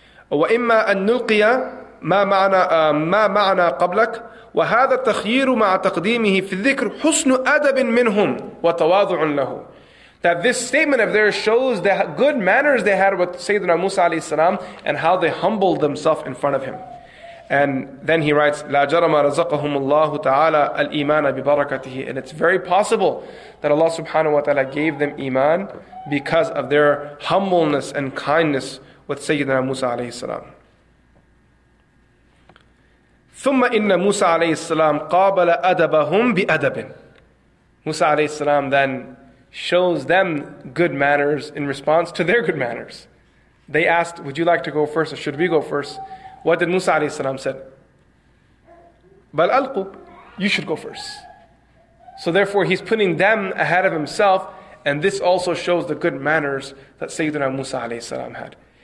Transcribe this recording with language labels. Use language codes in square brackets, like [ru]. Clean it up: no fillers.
[ar] وَإِمَّا أَن نُلْقِيَ ما معنى قبلك وهذا التخيير مع تقديمه في الذكر حسن أدب منهم وتواضع له. [en] That this statement of theirs shows the good manners they had with Sayyidina Musa alayhi salam and how they humbled themselves in front of him. And then he writes, [ar] لا جرم رزقهم الله تعالى الإيمان ببركته. [en] And it's very possible that Allah subhanahu wa ta'ala gave them iman because of their humbleness and kindness with Sayyidina Musa alayhi salam. [ar] ثم إن موسى عليه السلام قابل أدبهم بأدب. [en] Musa alayhi salam then shows them good manners in response to their good manners. They asked, would you like to go first or should we go first? What did Musa alayhi salam said? [ar] بل ألقوا. [en] You should go first. So therefore he's putting them ahead of himself, and this also shows the good manners that Sayyidina Musa alayhi salam had.